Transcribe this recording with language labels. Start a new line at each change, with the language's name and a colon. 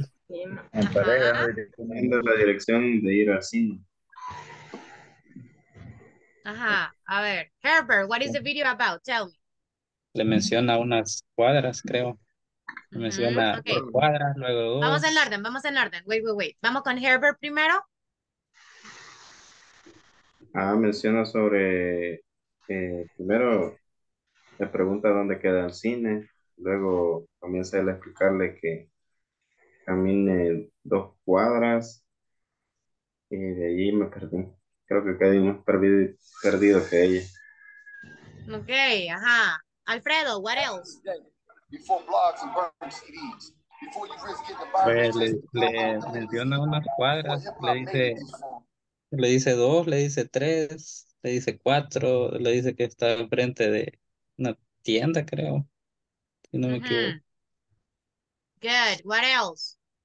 Spanish: En pareja, recomiendo la dirección de ir al cine. Ajá. A ver,
English: Herbert, what is the video about? Tell me.
Spanish: Le menciona unas cuadras, creo. Vamos en orden, vamos en orden. Wait. Vamos con Herbert primero. Ah, menciona sobre, primero le pregunta dónde queda el cine, luego comienza él a explicarle que camine 2 cuadras y de allí me perdí. Creo que quedé más perdido que ella. Ok, ajá.
English: Alfredo, what else? Before blogs and burn CDs, before you risk getting the virus.
Spanish: Pues le menciona unas cuadras, le dice 2, le dice 3, le dice 4, le dice que está enfrente de una tienda, creo. Si no me equivoco.
English: Good, what else?